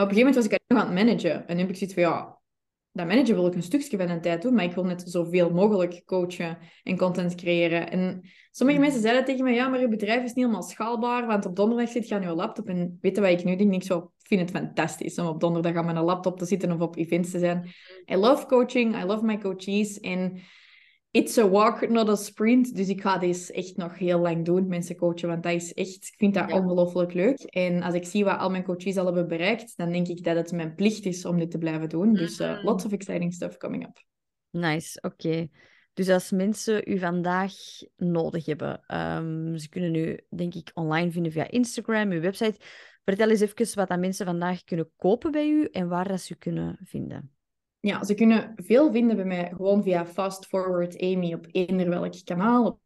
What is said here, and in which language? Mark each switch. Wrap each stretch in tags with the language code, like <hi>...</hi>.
<nl>Maar op een gegeven moment was ik nog aan het managen. En nu heb ik zoiets van, ja... Dat manager wil ik een stukje van een tijd doen, maar ik wil net zoveel mogelijk coachen en content creëren. En sommige mensen zeiden tegen mij, ja, maar je bedrijf is niet helemaal schaalbaar, want op donderdag zit je aan je laptop. En weet je wat ik nu denk? Ik vind het fantastisch om op donderdag aan mijn laptop te zitten of op events te zijn.</nl> <en>I love coaching, I love my coachees. En it's a walk, not a sprint.</en> <nl>Dus ik ga dit echt nog heel lang doen, mensen coachen, want dat is echt, ik vind dat ongelooflijk leuk. En als ik zie wat al mijn coaches al hebben bereikt, dan denk ik dat het mijn plicht is om dit te blijven doen.</nl> <en>Dus lots of exciting stuff coming up.</en> <nl>Nice, oké. Dus als mensen u vandaag nodig hebben, ze kunnen u, denk ik, online vinden via Instagram, uw website. Vertel eens even wat dat mensen vandaag kunnen kopen bij u en waar dat ze u kunnen vinden. Ja, ze kunnen veel vinden bij mij gewoon via Fast Forward Amy op eender welk kanaal.</nl>